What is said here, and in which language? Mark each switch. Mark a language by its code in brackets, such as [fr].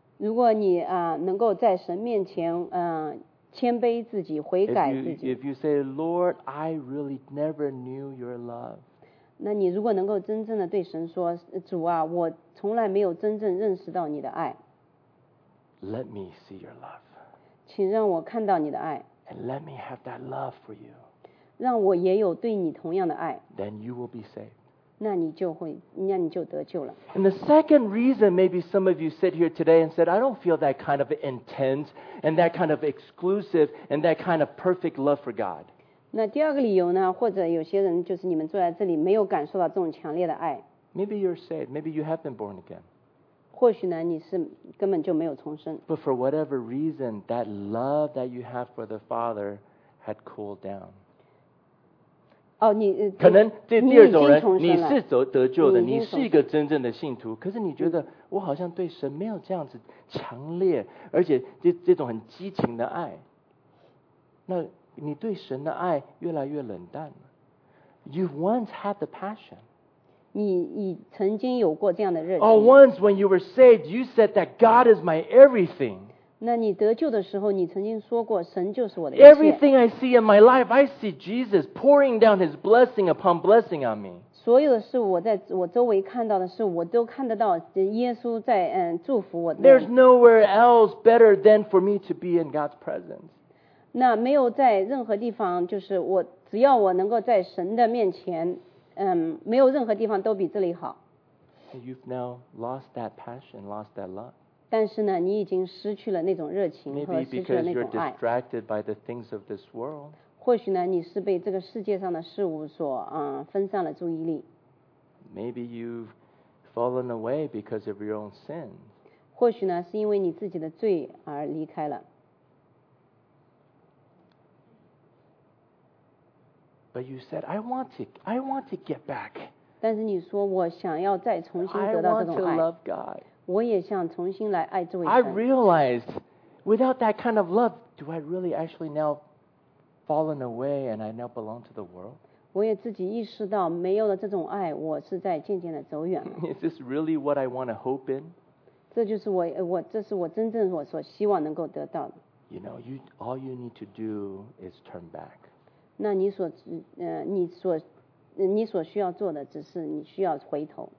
[zh] 如果你能够在神面前谦卑自己，悔改自己。 [en] If you say, Lord, I really never knew your love. [zh] 那你如果能够真正的对神说，主啊，我从来没有真正认识到你的爱。 [en] Let me see your love. [zh] 请让我看到你的爱。 [en] And let me have that love for you. [zh] 让我也有对你同样的爱。 [en] Then you will be saved. [zh] 那你就得救了。 [en] And the second reason maybe some of you sit here today and said, I don't feel that kind of intense and that kind of exclusive and that kind of perfect love for God. [zh] 那第二个理由呢，或者有些人就是你们坐在这里没有感受到这种强烈的爱。 [en] Maybe you're saved. Maybe you have been born again. [zh] 或许呢，你是根本就没有重生。 [en] But for whatever reason, that love that you have for the Father had cooled down. [zh] 哦，你可能这第二种人，你是得救的，你是一个真正的信徒，可是你觉得我好像对神没有这样子强烈，而且这种很激情的爱。那你对神的爱越来越冷淡了。 [en] You once had the passion. [zh] 你曾经有过这样的热情。 [en] Oh, once when you were saved, you said that God is my everything. [zh] 那你得救的时候，你曾经说过，神就是我的一 [en] 切。Everything I see in my life, I see Jesus pouring down His blessing upon blessing on me. [zh] 所有的事我在我周围看到的事，我都看得到耶稣在祝福我。 [en] There's nowhere else better than for me to be in God's presence. [zh] 那没有在任何地方，就是我只要我能够在神的面前。没有任何地方都比这里好。 [en] You've now lost that passion, lost that love. [zh] 但是呢，你已经失去了那种热情和失去了那种爱。 [en] Maybe because you're distracted by the things of this world. [zh] 或许呢，你是被这个世界上的事物所分散了注意力。 [en] Maybe you've fallen away because of your own sin. [zh] 或许呢，是因为你自己的罪而离开了。 [en] But you said, I want to get back. [zh] 但是你说我想要再重新得到这种爱。 [en] I want to love God. [zh] 我也想重新来爱这位神。 [en] I realized, without that kind of love, do I really actually now fallen away and I now belong to the world? [zh] 我也自己意识到没有了这种爱，我是在渐渐的走远了。 [en] Is this really what I want to hope in? [zh] 这就是我这是我真正我所希望能够得到的。 [en] You know, all you need to do is turn back. [zh] 那你所你所你所需要做的只是你需要回头。